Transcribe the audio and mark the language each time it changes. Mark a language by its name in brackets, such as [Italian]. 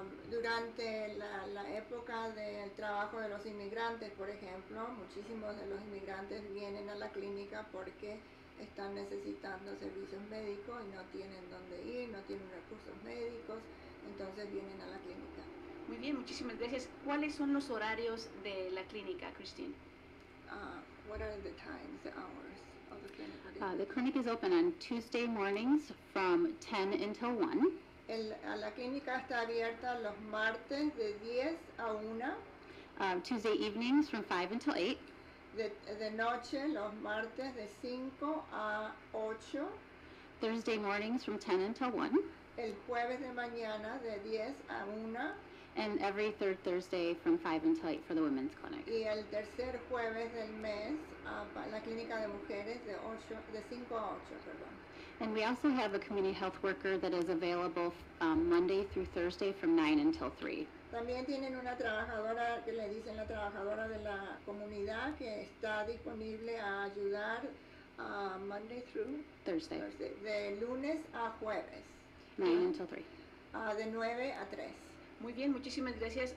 [Spanish] Durante la época del trabajo de los inmigrantes, por ejemplo, muchísimos de los inmigrantes vienen a la clínica porque están necesitando servicios médicos y no tienen dónde ir, no tienen recursos médicos, entonces vienen a la clínica. Muy bien, muchísimas gracias. ¿Cuáles son los horarios de la clínica, Christine? [English] What are the times, the hours of the clinic? What is The clinic is open on Tuesday mornings from 10 until 1. [Spanish] La clínica está abierta los martes de 10 a 1. [English] Tuesday evenings from 5 until 8. [Spanish] De noche los martes de 5 a 8. [English] Thursday mornings from 10 until 1. [Spanish] El jueves de mañana de 10 a 1. [English] And every third Thursday from 5 until 8 for the women's clinic. [Spanish] Y el tercer jueves del mes, para la clínica de mujeres de 5 a 8, perdón. [English] And we also have a community health worker that is available Monday through Thursday from 9 until 3. [Spanish] También tienen una trabajadora que le dicen la trabajadora de la comunidad que está disponible a ayudar [English] Monday through Thursday. [Spanish] Thursday, de lunes a jueves, [English] 9 until 3. [Spanish] De 9 a 3. Muy bien, muchísimas gracias.